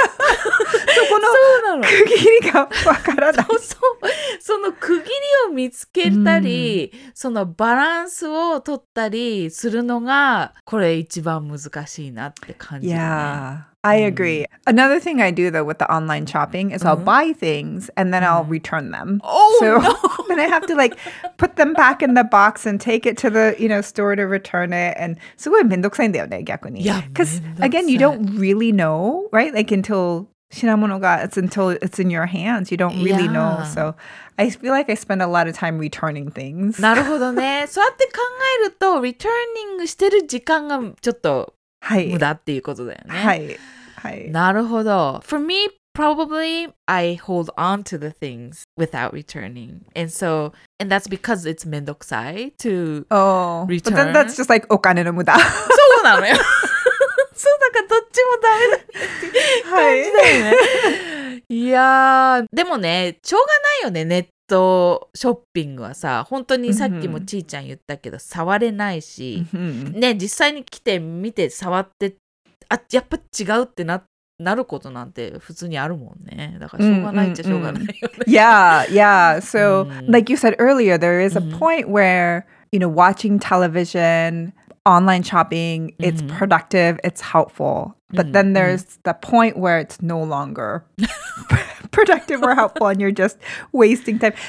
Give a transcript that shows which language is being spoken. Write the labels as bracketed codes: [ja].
[ja] そこの区切りがわからない。そうそう。その区切りを見つけたり、そのバランスを取ったりするのが、これ一番難しいなって感じだね。 [en] Yeah. I agree. Another thing I do though with the online shopping is I'll buy things and then I'll return them. Oh, so, no! Then I have to like put them back in the box and take it to the, you know, store to return it. [ja] And すごい面倒くさいんだよね、逆に。 [en] Yeah, [ja] 面倒くさい。 [en] Because again, you don't really know, right? Like until [ja] 品物が、 [en] it's until it's in your hands. You don't really know. So I feel like I spend a lot of time returning things. [ja] なるほどね。そうやって考えると、returning してる時間がちょっと… はい、無駄っていうことだよね。はい。はい。なるほど。 [en] For me, probably I hold on to the things without returning. And so, and that's because it's [ja] 面倒くさい [en] to return. But then that's just like [ja] お金の無駄。そうなのよ。そう、だからどっちもダメだって感じだよね。はい、いやー、でもね、しょうがないよね、ネット。ショッピングはさ本当にさっきもちーちゃん言ったけど、mm-hmm. 触れないし、mm-hmm. ね、実際に来て見て触ってあやっぱ違うって なることなんて普通にあるもんね。だからしょうがないっちゃしょうがないよね。 mm-hmm. [en] Yeah, yeah. So, like you said earlier, there is a point where, you know, watching television, online shopping, it's productive, it's helpful. But then there's the point where it's no longer productive or helpful and you're just wasting time.